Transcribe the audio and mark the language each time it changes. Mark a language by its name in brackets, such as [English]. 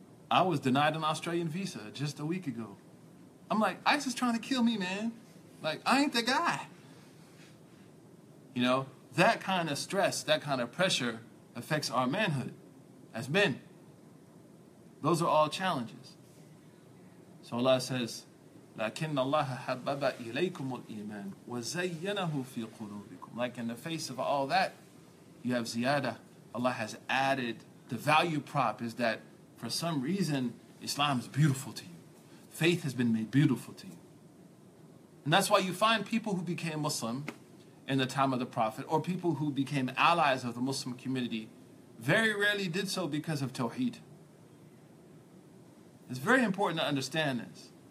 [English] I was denied an Australian visa just a week ago. I'm like, ICE is trying to kill me, man. Like, I ain't the guy. You know, that kind of stress, that kind of pressure affects our manhood as men. Those are all challenges. So Allah says, [Arabic] لكن الله حبب إليكم الإيمان وزينه في قلوبكم. [English] Like in the face of all that, you have ziyada. Allah has added the value prop is that for some reason, Islam is beautiful to you. Faith has been made beautiful to you. And that's why you find people who became Muslim in the time of the Prophet or people who became allies of the Muslim community very rarely did so because of Tawheed. It's very important to understand this.